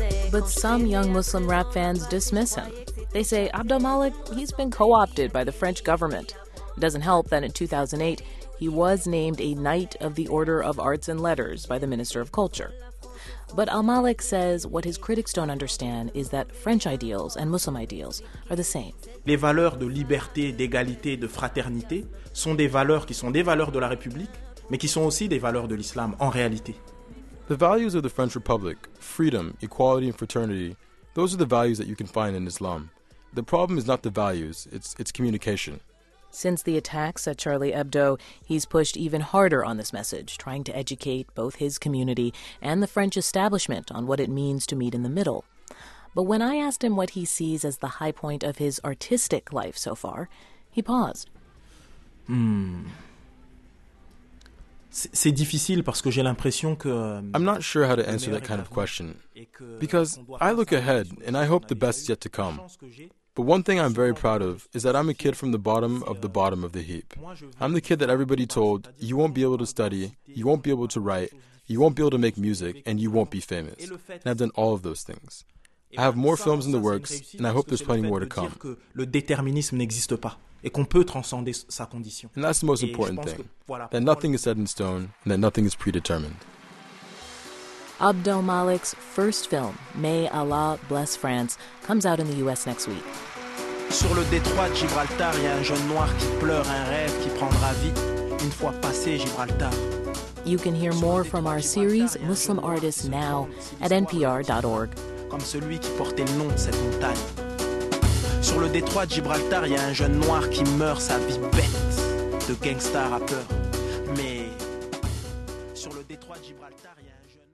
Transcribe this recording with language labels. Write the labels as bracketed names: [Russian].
[English] But some young Muslim rap fans dismiss him. They say Abdelmalek, he's been co-opted by the French government. It doesn't help that in 2008, he was named a Knight of the Order of Arts and Letters by the Minister of Culture. But Al-Malek says what his critics don't understand is that French ideals and Muslim ideals are the same. [French] Les valeurs de liberté, d'égalité, de fraternité sont des valeurs qui sont des valeurs de la République, mais qui sont aussi des valeurs de l'islam en réalité. [English] The values of the French Republic, freedom, equality and fraternity, those are the values that you can find in Islam. The problem is not the values, it's communication. Since the attacks at Charlie Hebdo, he's pushed even harder on this message, trying to educate both his community and the French establishment on what it means to meet in the middle. But when I asked him what he sees as the high point of his artistic life so far, he paused. [French] C'est difficile parce que j'ai l'impression que... [English] I'm not sure how to answer that kind of question. Because I look ahead and I hope the best is yet to come. But one thing I'm very proud of is that I'm a kid from the bottom of the bottom of the heap. I'm the kid that everybody told, you won't be able to study, you won't be able to write, you won't be able to make music, and you won't be famous. And I've done all of those things. I have more films in the works, and I hope there's plenty more to come. [French] Le déterminisme n'existe pas, et qu'on peut transcender sa condition. [English] And that's the most important thing, that nothing is set in stone, and that nothing is predetermined. Abdelmalek's first film, May Allah Bless France, comes out in the US next week. [French] Sur le détroit de Gibraltar, il y a un jeune noir qui pleure un rêve qui prendra vie une fois passé Gibraltar. [English] You can hear more from our series Muslim Artists Now at npr.org. [French] Comme celui qui portait le nom de cette montagne. Sur le détroit de Gibraltar, il y a un jeune noir qui meurt sa vie bête de gangster rappeur. Mais sur le détroit de Gibraltar, il y a un jeune